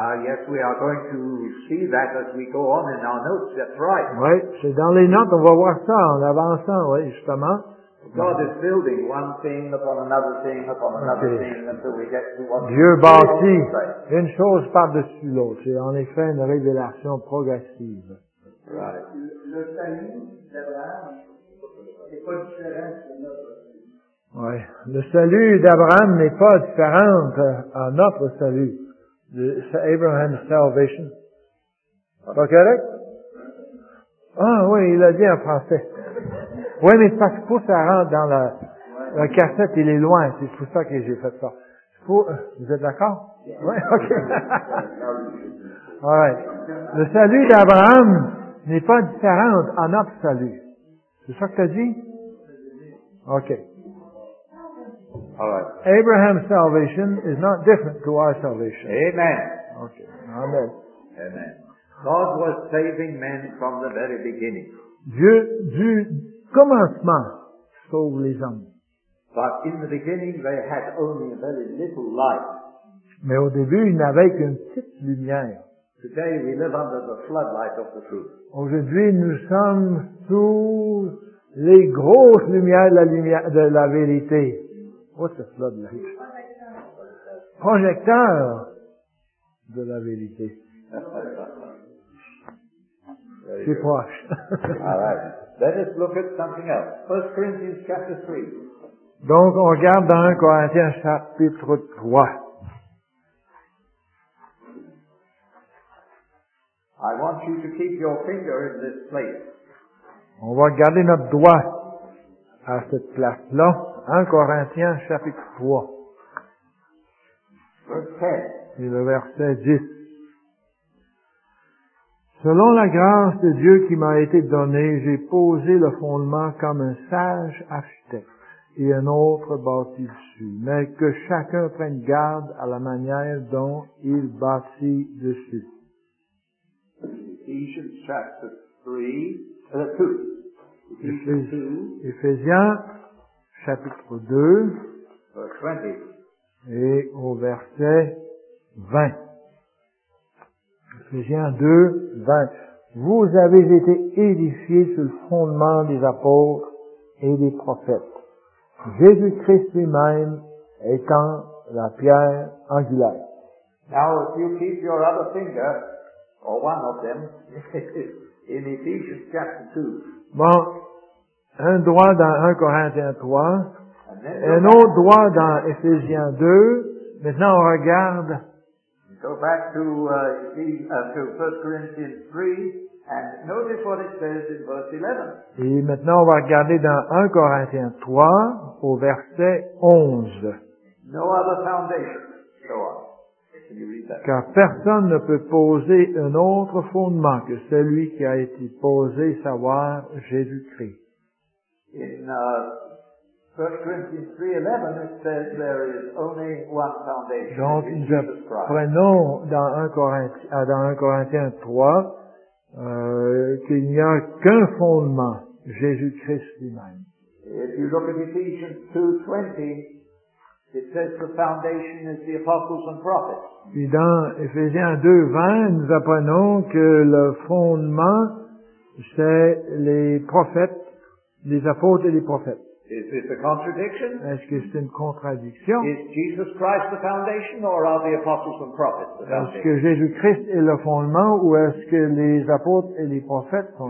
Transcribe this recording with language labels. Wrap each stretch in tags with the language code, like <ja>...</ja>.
<en>Yes, we are going to see that as we go on in our notes. That's right.</en> <fr>Oui, c'est dans les notes, on va voir ça en avançant, oui, justement.</fr> <en>God is building one thing upon another thing upon another thing until we get to one.</en> <fr>Dieu bâtit une chose par-dessus l'autre. C'est en effet une révélation progressive.</fr> <en>Right.</en> <fr>Le salut d'Abraham n'est pas différent de notre. Oui. Le salut d'Abraham n'est pas différent à notre salut.</fr> <en>Abraham's salvation.</en> <fr>Pas correct? Ah oui, il a dit en français. Oui, mais c'est parce que pour ça rentre dans la cassette, il est loin. C'est pour ça que j'ai fait ça. Vous êtes d'accord? Oui, ok. Oui. Le salut d'Abraham n'est pas différent à notre salut. C'est ça que tu as dit? Ok.</fr> <en>All right. Abraham's salvation is not different to our salvation. Amen. Okay. Amen. Amen. God was saving men from the very beginning.</en> <fr>Dieu, du commencement, sauve les hommes.</fr> <en>But in the beginning they had only a very little light.</en> <fr>Mais au début, ils n'avaient qu'une petite lumière.</fr> <en>Today we live under the floodlight of the truth.</en> <fr>Aujourd'hui, nous sommes sous les grosses lumières de la vérité.</fr> <en>What's the floodlight?</en> <fr>Projecteur de la vérité. C'est proche.</fr> <en>All right. Let us look at something else. 1 Corinthians chapter 3.</en> <fr>Donc, on regarde dans 1 Corinthiens chapitre 3.</fr> <en>I want you to keep your finger in this place.</en> <fr>On va garder notre doigt à cette place-là. 1 Corinthiens, chapitre 3. Verset. Et le verset 10. Selon la grâce de Dieu qui m'a été donnée, j'ai posé le fondement comme un sage architecte et un autre bâti dessus. Mais que chacun prenne garde à la manière dont il bâtit dessus.</fr> <en>Ephesians chapter 3, 2.</en> <fr>Ephésiens chapitre 2,</fr> <en>verse 20.</en> <fr>Et au verset 20. Ephésiens 2, 20. Vous avez été édifiés sur le fondement des apôtres et des prophètes, Jésus-Christ lui-même étant la pierre angulaire.</fr> <en>Now, if you keep your other finger, or one of them, in Ephesians chapter 2.</en> <fr>Bon, un doigt dans 1 Corinthiens 3, un autre doigt dans Ephésiens 2. Maintenant, on regarde.</fr> <en>Go back to, to 1 Corinthians 3, and notice what it says in verse 11.</en> <fr>Et maintenant, on va regarder dans 1 Corinthiens 3, au verset 11.</fr> <en>No other foundation. Go on.</en> <fr>Car personne ne peut poser un autre fondement que celui qui a été posé, savoir Jésus-Christ.</fr> <en>In 1 Corinthians 3:11, it says there is only one foundation.</en> <fr>Donc, nous prenons dans 1 Corinthiens 3 qu'il n'y a qu'un fondement, Jésus-Christ lui-même.</fr> <en>If you look at Ephesians 2:20, it says the foundation is the apostles and prophets.</en> <fr>Puis dans Ephésiens 2, 20, nous apprenons que le fondement, c'est les prophètes, les apôtres et les prophètes.</fr> <en>Is this a contradiction?</en> <fr>Est-ce que c'est une contradiction?</fr> <en>Is Jesus Christ the foundation or are the apostles and prophets the foundation?</en> <fr>Est-ce que Jésus-Christ est le fondement ou est-ce que les apôtres et les prophètes sont</fr>